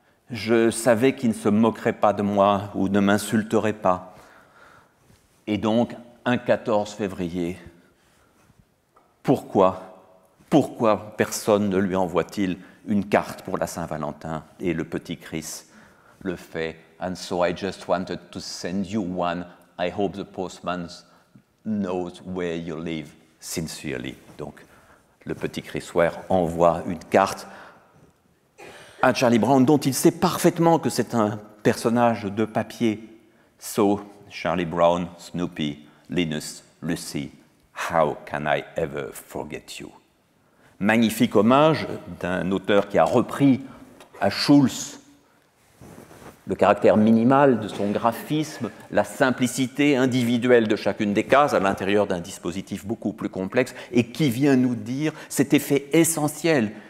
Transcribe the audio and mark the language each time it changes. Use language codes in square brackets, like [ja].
[fr] Je savais qu'il ne se moquerait pas de moi ou ne m'insulterait pas. Et donc, un 14 février, pourquoi personne ne lui envoie-t-il une carte pour la Saint-Valentin? Et le petit Chris le fait. [en] And so I just wanted to send you one. I hope the postman knows where you live. Sincerely. [fr] Donc, le petit Chris Ware envoie une carte à Charlie Brown, dont il sait parfaitement que c'est un personnage de papier. [en] So, Charlie Brown, Snoopy, Linus, Lucy, how can I ever forget you? [fr] Magnifique hommage d'un auteur qui a repris à Schulz le caractère minimal de son graphisme, la simplicité individuelle de chacune des cases à l'intérieur d'un dispositif beaucoup plus complexe, et qui vient nous dire cet effet essentiel.